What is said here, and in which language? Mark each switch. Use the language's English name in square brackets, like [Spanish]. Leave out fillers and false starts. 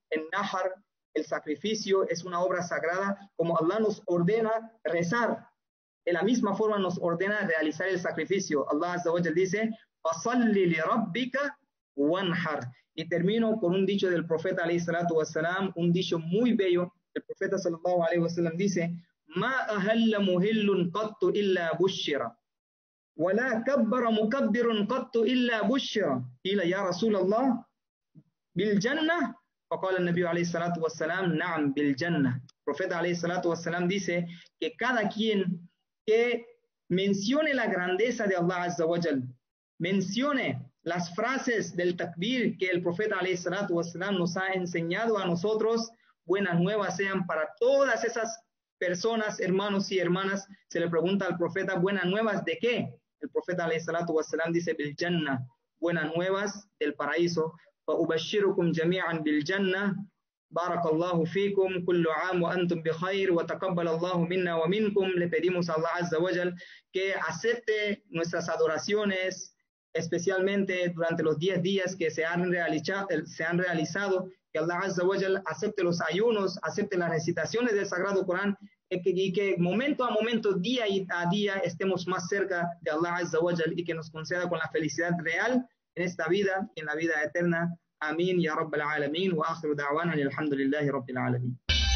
[Spanish] En Nahar, el sacrificio es una obra sagrada, como Allah nos ordena rezar. De la misma forma nos ordena realizar el sacrificio. Allah Azza wa Jal dice, [Arabic] فَصَلِّ لِرَبِّكَ وَانْحَرْ. [Spanish] Y termino con un dicho del profeta, alayhi salatu wassalam, un dicho muy bello. El profeta, sallallahu alayhi wasallam, dice, [Arabic] مَا أَهَلَّ مُهِلٌ قَطُّ إِلَّا بُشِّرًا وَلَا كَبَّرَ مُكَبِّرٌ قَطُّ إِلَّا بُشِّرًا إِلَى يَا رَسُولَ اللَّهِ بِالْجَنَّةِ. فقال النبي عليه الصلاة والسلام نعم بالجنة. [Spanish] Profeta [Arabic] عليه الصلاة والسلام [Spanish] dice que cada quien que mencione la grandeza de Allah Azza wa Jal, mencione las frases del takbir que el profeta عليه الصلاة والسلام nos ha enseñado a nosotros, buenas nuevas sean para todas esas personas, hermanos y hermanas. Se le pregunta al profeta, buenas nuevas de qué. El profeta [Arabic] عليه الصلاة والسلام [Spanish] dice [Arabic] بالجنة, [Spanish] buenas nuevas del paraíso. [Arabic] فأبشركم جميعا بالجنة بارك الله فيكم كل عام وأنتم بخير وتقبل الله منا ومنكم. [Spanish] Le pedimos a Allah Azza wa Jal que acepte nuestras adoraciones, especialmente durante los 10 días que se han realizado, que Allah Azza wa Jal acepte los ayunos, acepte las recitaciones del Sagrado Corán, y que momento a momento, día a día, estemos más cerca de Allah Azza wa Jal, y que nos conceda con la felicidad real en esta vida y en la vida eterna. Amén, ya Rabbal Alameen, wa akhiru da'wana, alhamdulillahi Rabbil Alameen.